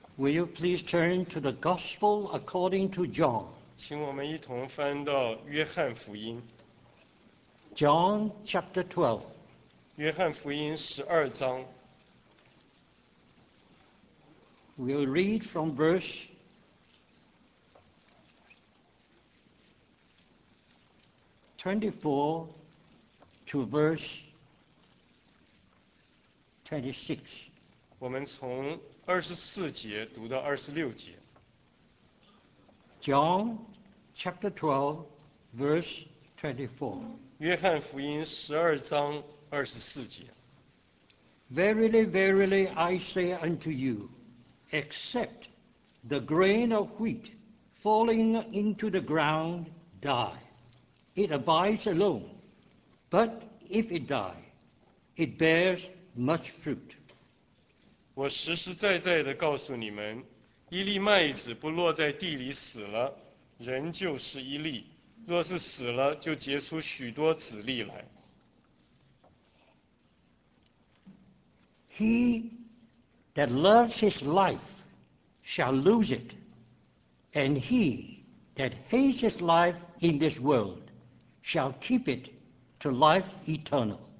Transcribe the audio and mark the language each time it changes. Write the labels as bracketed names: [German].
[English] Will you please turn to the Gospel according to John? [Chinese] 请我们一同翻到约翰福音。 [English] John chapter 12. [Chinese] 约翰福音12章。 [English] We'll read from verse 24 to verse 26. [Chinese] 我们从24节读到26节。 [English] John chapter 12, verse 24. [Chinese] 约翰福音12章24节。 [English] Verily, verily, I say unto you, except the grain of wheat falling into the ground die, it abides alone, but if it die, it bears much fruit. [Chinese] 我实实在在地告诉你们，一粒麦子不落在地里死了，人就是一粒；若是死了，就结出许多籽粒来。 [English] He that loves his life shall lose it, and he that hates his life in this world shall keep it to life eternal.